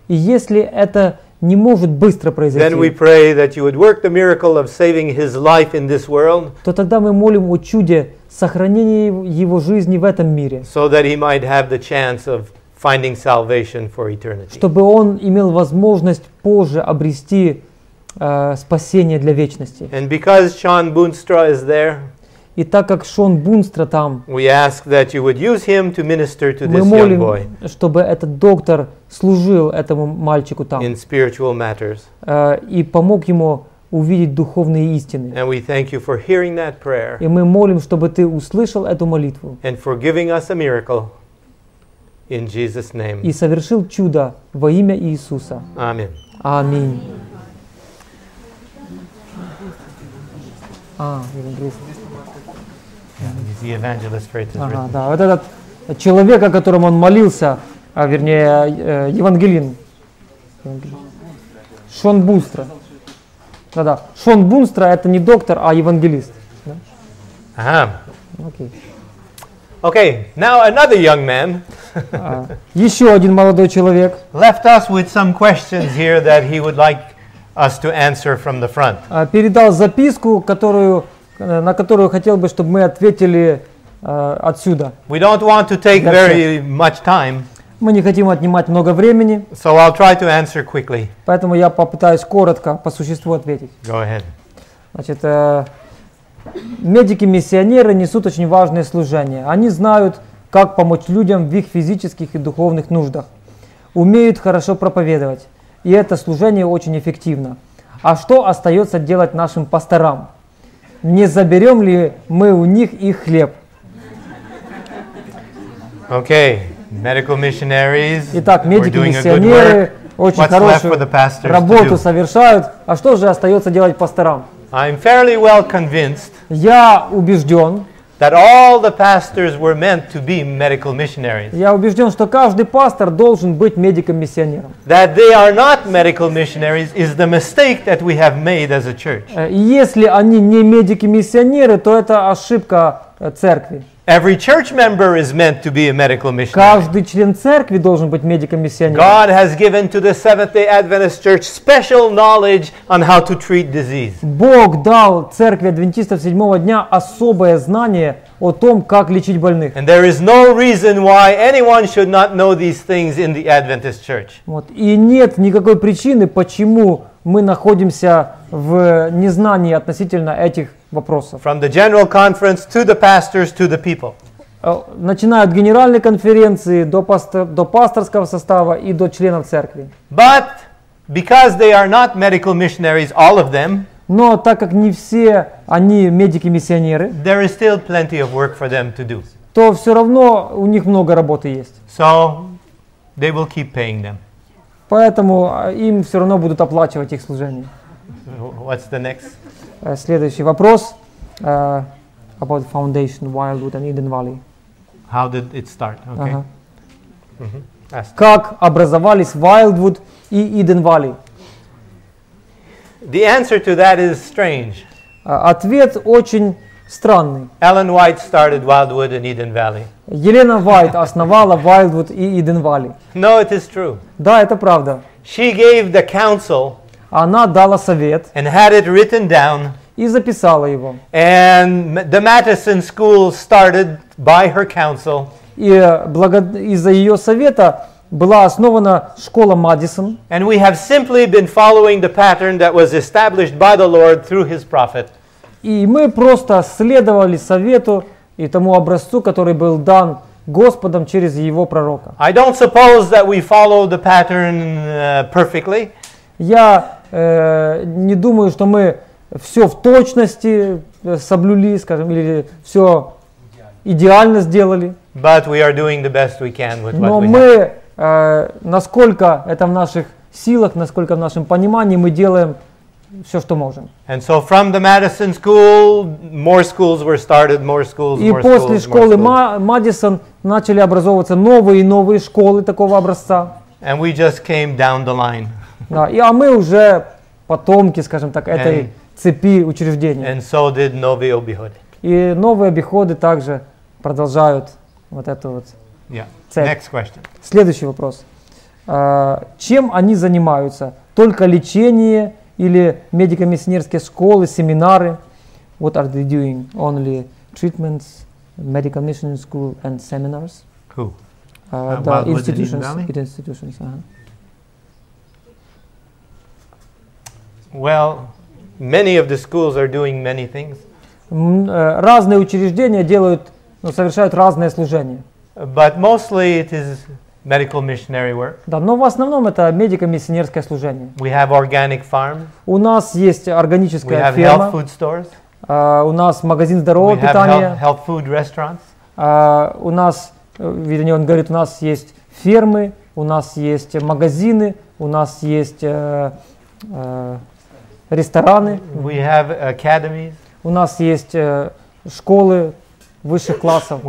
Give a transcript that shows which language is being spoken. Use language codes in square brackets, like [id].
[ru] и если это не может быстро произойти, то тогда мы молим о чуде сохранения его жизни в этом мире, чтобы он имел возможность позже обрести спасение для вечности. [en] And because Sean Boonstra is there, [ru] и так как Шон Бунстра там, [en] we ask that you would use him to minister to this [ru] молим, [en] young boy. [ru] Чтобы этот доктор служил этому мальчику там. [en] In spiritual matters. [ru] И помог ему увидеть духовные истины. [en] And we thank you for hearing that prayer. [ru] И мы молим, чтобы ты услышал эту молитву. [en] And for giving us a miracle. In Jesus' name. [ru] И совершил чудо во имя Иисуса. Аминь. Аминь. [en] The evangelist for it is written. [ru] Да, вот этот человек, о котором он молился, а вернее, Евангелин. Шон Бунстра. Да-да, Шон Бунстра это не доктор, а евангелист. Ага. [en] Okay, now another young man. [ru] Еще один молодой человек. [en] Left us with some questions here that he would like us to answer from the front. [ru] Передал записку, которую... на которую хотел бы, чтобы мы ответили отсюда. [en] We don't want to take very much time. [ru] Мы не хотим отнимать много времени. [en] So I'll try to answer quickly. [ru] Поэтому я попытаюсь коротко по существу ответить. [en] Go ahead. [ru] Значит, Медики-миссионеры несут очень важное служение. Они знают, как помочь людям в их физических и духовных нуждах. Умеют хорошо проповедовать. И это служение очень эффективно. А что остается делать нашим пасторам? Не заберем ли мы у них их хлеб? [en] Okay, medical missionaries. [ru] Итак, медики-миссионеры очень хорошую работу совершают. А что же остается делать пасторам? [en] I'm fairly well convinced. [ru] Я убежден. [en] That all the pastors were meant to be medical missionaries. [ru] Я убежден, что каждый пастор должен быть медиком-миссионером. [en] That they are not medical missionaries is the mistake that we have made as a church. [ru] Если они не медики-миссионеры, то это ошибка церкви. [en] Every church member is meant to be a medical missionary. [ru] Каждый член церкви должен быть медиком-миссионером. [en] God has given to the Seventh-day Adventist Church special knowledge on how to treat disease. [ru] Бог дал церкви адвентистов седьмого дня особое знание о том, как лечить больных. [en] And there is no reason why anyone should not know these things in the Adventist Church. [ru] Вот. И нет никакой причины, почему мы находимся в незнании относительно этих вопросов. [en] From the general conference to the pastors to the people. [ru] Начиная от генеральной конференции до пасторского состава и до членов церкви. [en] But because they are not medical missionaries, all of them. [ru] Но так как не все они медики-миссионеры. [en] There is still plenty of work for them to do. [ru] То все равно у них много работы есть. [en] So they will keep paying them. [ru] Поэтому им все равно будут оплачивать их служение. [en] What's the next? [ru] Следующий вопрос [en] about foundation Wildwood and Eden Valley. How did it start? Okay. Uh-huh. Mm-hmm. [ru] Как образовались Wildwood и Eden Valley? [en] The answer to that is strange. [ru] Ответ очень странный. [en] Ellen White started Wildwood and Eden Valley. [ru] Елена Уайт основала Wildwood и Eden Valley. [en] No, it is true. [ru] Да, это правда. [en] She gave the counsel. [ru] Она дала совет. [en] And had it written down. [ru] И записала его. [en] And the Mattison School started by her counsel. [ru] И из-за ее совета была основана школа Мадисон. [en] And we have simply been following the pattern that was established by the Lord through his prophet. [ru] И мы просто следовали совету и тому образцу, который был дан Господом через его пророка. [en] I don't suppose that we follow the pattern perfectly. [ru] Я не думаю, что мы все в точности соблюли, скажем, или все идеально сделали. [en] But we are doing the best we can with what we have. [ru] Но мы, насколько это в наших силах, насколько в нашем понимании, мы делаем все, что можем. [en] And so from the Madison School, more schools were started, more schools, [ru] И после школы Мадисон начали образовываться новые и новые школы такого образца. [en] And we just came down the line. [ru] Да, и а мы уже потомки, скажем так, этой цепи учреждений. [en] And so did [ru] новые обиходы. И новые обиходы также продолжают вот эту вот цепь. [en] Next question. [ru] Следующий вопрос. Чем они занимаются? Только лечение или медико-миссионерские школы, семинары? [en] What are they doing? Only treatments, medical mission school and seminars? Who? The institutions. It institutions. Uh-huh. Well, many of the schools are doing many things. [ru] Разные учреждения делают, совершают разные служения. [en] But mostly it is medical missionary work. [ru] Да, но в основном это медико-миссионерское служение. [en] We have organic farm. [ru] У нас есть органическая ферма. [en] We have health food stores. [ru] У нас магазин здорового питания. [en] We have health food restaurants. [ru] У нас, вернее, он говорит, у нас есть фермы, у нас есть магазины, у нас есть рестораны. [en] We have academies. [ru] У нас есть школы высших классов.